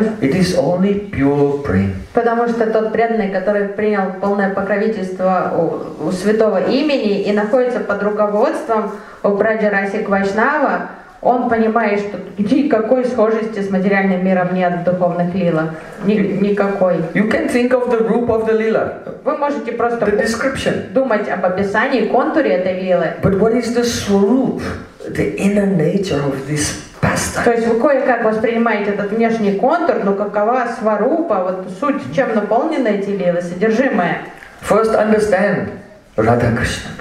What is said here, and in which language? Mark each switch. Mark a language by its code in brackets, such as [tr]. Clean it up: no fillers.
[en] It is only pure prem. [ru] Потому что тот преданный, который принял полное покровительство у святого имени и находится под руководством у Браджарасик Вайшнава, он понимает, что никакой схожести с материальным миром нет в духовных лилах. Никакой. [en] You can think of the rupa of the lila. [ru] Вы можете просто [en] the description. [ru] Думать об описании, контуре этой лилы. [en] But what is the swarup? the inner nature of this pastime. [ru] То есть вы кое-как воспринимаете этот внешний контур, но какова сварупа, вот суть, чем наполнено эти левы, содержимое? [en] First understand Radha Krishna.